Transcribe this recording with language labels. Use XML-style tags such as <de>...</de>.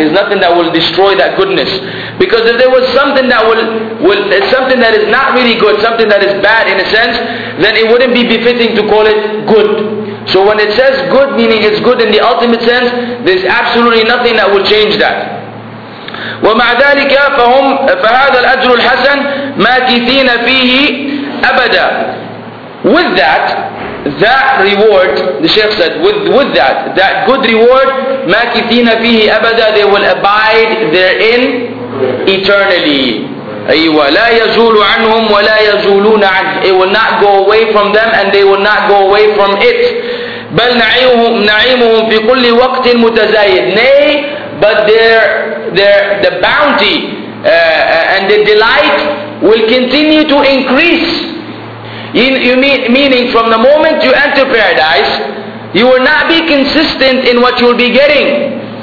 <en>There's nothing that will destroy that goodness. Because if there was something that will something that is not really good, something that is bad in a sense, then it wouldn't be befitting to call it good. So when it says good, meaning it's good in the ultimate sense, there's absolutely nothing that will change that.</en> <ar>ومع ذلك فهم فهذا الأجر الحسن ماكثين فيه أبدا.</ar> <en>With that reward, the Shaykh said, with that good reward,</en> <ar>ماكثين فيه أبدا,</ar> <en>they will abide therein eternally.</en> <ar>أيوة, لا يزول عنهم ولا يزولون عنه.</ar> <en>It will not go away from them and they will not go away from it.</en> <ar>بل نعيمهم في كل وقت متزايد.</ar> <en>Nay, but their the bounty and the delight will continue to increase. Meaning from the moment you enter paradise, you will not be consistent in what you will be getting.</en>